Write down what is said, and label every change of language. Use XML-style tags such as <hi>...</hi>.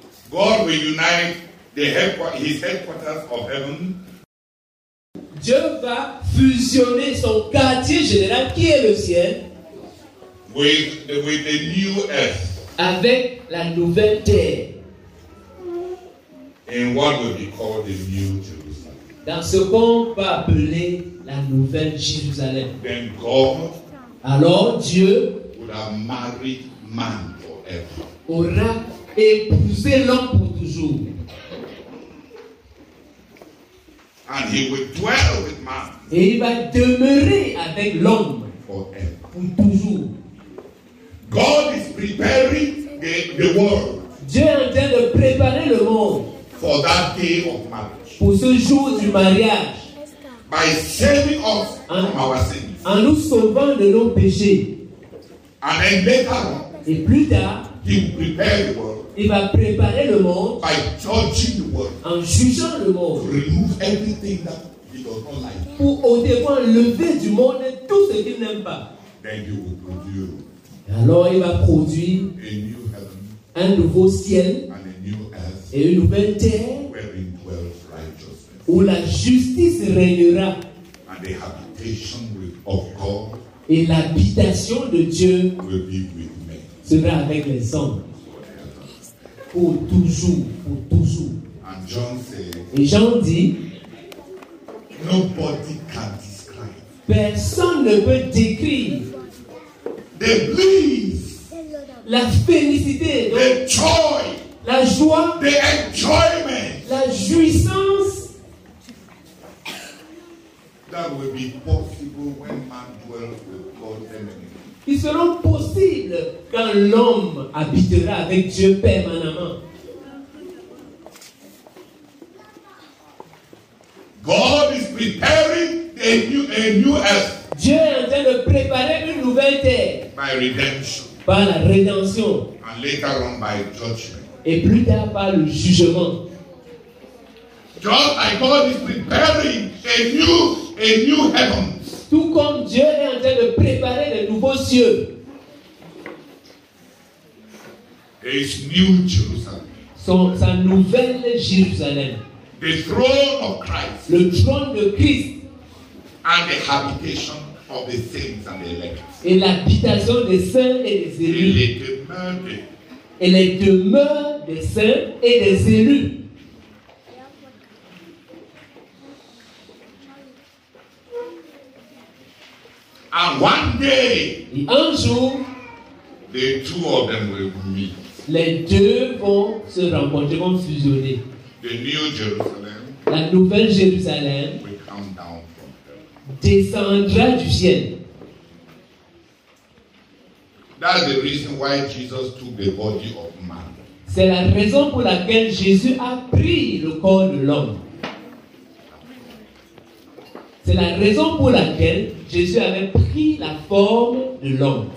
<en>God will unite the his headquarters of heaven.</en> <fr>Dieu va fusionner son quartier général qui est le ciel</fr> <en>with the new earth.</en> <fr>Avec la nouvelle terre.</fr> <en>And what will be called the new Jerusalem.</en> <fr>Dans ce qu'on va appeler la nouvelle Jérusalem.</fr> <en>Then God,</en> <fr>alors Dieu</fr> <en>would have married man forever.</en> <fr>Aura épousé l'homme pour toujours.</fr> <en>And he will dwell with man.</en> <fr>Et il va demeurer avec l'homme</fr> <en>forever.</en> <fr>Pour toujours.</fr> <en>God is preparing the world.</en> <fr>Dieu est en train de préparer le monde.</fr> <en>For that day of marriage.</en> <fr>Pour ce jour du mariage.</fr> <en>By saving us from our sins.</en> <fr>En nous sauvant de nos péchés.</fr> <en>And then later on.</en> <fr>Et plus tard.</fr> <en>He will prepare the world.</en> <fr>Il va préparer le monde</fr> <en>by judging the world,</en> <fr>en jugeant le monde</fr> <en>to remove everything that he does not like.</en> <fr>Pour au devant lever du monde tout ce qu'il n'aime pas.</fr> <en>Then he will produce.</en> <fr>Et alors il va produire</fr> <en>a new heaven,</en> <fr>un nouveau ciel</fr> <en>and a new earth,</en> <fr>et une nouvelle terre</fr> <en>wherein dwells righteousness.</en> <fr>Où la justice régnera</fr> <en>and the habitation of God</en> <fr>et l'habitation de Dieu</fr> <en>will be with men.</en> <fr>Sera avec les hommes. Pour toujours.</fr> <en>And John said,</en> <fr>et Jean dit,</fr> <en>nobody can describe.</en> <fr>Personne ne peut décrire</fr> <en>the bliss,</en> <fr>la félicité,</fr> <en>the joy,</en> <fr>la joie,</fr> <en>the enjoyment,</en> <fr>la jouissance</fr> <en>that will be possible when man dwells with God enemy.</en> <fr>Qui seront possibles quand l'homme habitera avec Dieu permanemment.</fr> <en>God is preparing a new earth.</en> <fr>Dieu est en train de préparer une nouvelle terre.</fr> <en>By redemption.</en> <fr>Par la rédemption.</fr> <en>And later on by judgment.</en> <fr>Et plus tard par le jugement.</fr> <en>Just like God is preparing a new heaven.</en> <fr>Tout comme Dieu est en train de préparer les nouveaux cieux.</fr> <en>His new Jerusalem.</en> <fr>Sa nouvelle Jérusalem.</fr> <en>The throne of Christ.</en> <fr>Le trône de Christ.</fr> <en>And the habitation of the saints and the elect.</en> <fr>Et l'habitation des saints et des élus. Et les demeures des. Et les demeures des saints et des élus.</fr> <en>And one day,</en> <fr>et un jour,</fr> <en>the two of them will meet.</en> <fr>Les deux vont se rencontrer, vont fusionner.</fr> <en>The new Jerusalem,</en> <fr>la nouvelle Jérusalem,</fr> <en>will come down from</en> <fr>descendra du ciel.</fr> <en>That's the reason why Jesus took the body of man.</en> <fr>C'est la raison pour laquelle Jésus a pris le corps de l'homme. C'est la raison pour laquelle Jésus avait pris la forme de l'homme.</fr>